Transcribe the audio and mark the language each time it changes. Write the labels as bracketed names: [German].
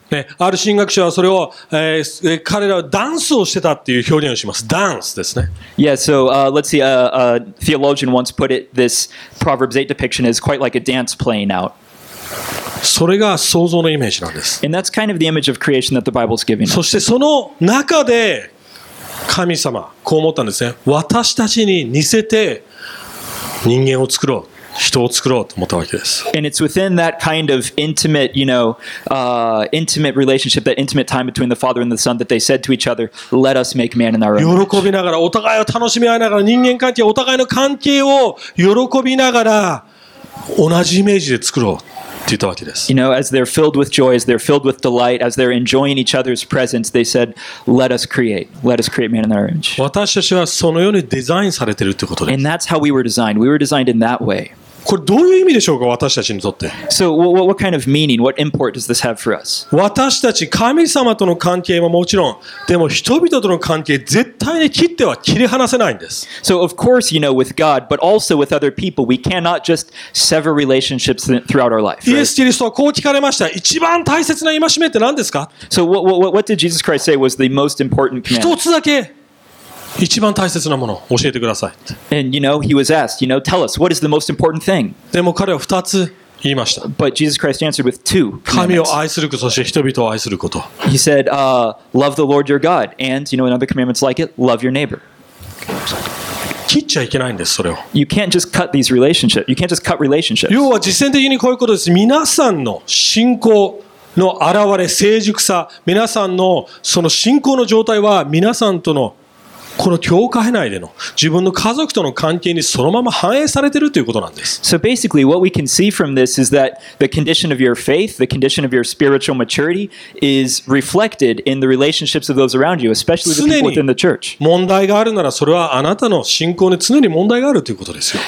[Japanese] ね、ある神学者はそれを、彼らはダンスをしてたっていう表現をします。ダンスですね。 [English] Yeah, so, let's see, a theologian once put it, this Proverbs 8 depiction is quite like a dance playing out. [Japanese] それが想像のイメージなんです。 [English] And that's kind of the image of creation that the Bible's giving us. [Japanese] そしてその中で、神様こう思ったんですね。私たちに似せて人間を作ろう、人を作ろうと思ったわけです。 [English] And it's within that kind of intimate, you know, intimate relationship, that intimate time between the Father and the Son that they said to each other, "Let us make man in our own image." [Japanese] 喜びながら、お互いを楽しみ合いながら、人間関係、お互いの関係を喜びながら、同じイメージで作ろう。 [English] You know, as they're filled with joy, as they're filled with delight, as they're enjoying each other's presence, they said, "Let us create. Let us create man in our image." [Japanese] 私たちはそのようにデザインされているということです。 [English] And that's how we were designed. We were designed in that way. [Japanese] これどういう意味でしょうか、私たちにとって。 [English] So, what kind of meaning, what import does this have for us? [Japanese] 私たち神様との関係ももちろん、でも人々との関係絶対に切っては切り離せないんです。 [English] So, of course, you know, with God, but also with other people, we cannot just sever relationships throughout our life. [Japanese] イエス・キリストはこう聞かれました。一番大切な戒めって何ですか？ [English] So, what did Jesus Christ say was the most important command? [Japanese] 一つだけ。一番大切なものを教えてください。 [English] And you know, he was asked, you know, tell us, what is the most important thing? [Japanese] でも彼は二つ言いました。 [English] But Jesus Christ answered with two. [Japanese] 神を愛すること、そして人々を愛すること。 [English] He said, love the Lord your God, and you know, another commandment's like it, love your neighbor. [Japanese] 切っちゃいけないんです、それを。 [English] You can't just cut these relationships. You can't just cut relationships. [Japanese] 要は実践的にこういうことです。皆さんの信仰の現れ、成熟さ、皆さんのその信仰の状態は皆さんとのこの教会内での自分の家族との関係にそのまま反映されているということなんです。 [English] So basically, what we can see from this is that the condition of your faith, the condition of your spiritual maturity is reflected in the relationships of those around you, especially the people within the church. [Japanese] 常に問題があるならそれはあなたの信仰に常に問題があるということですよ。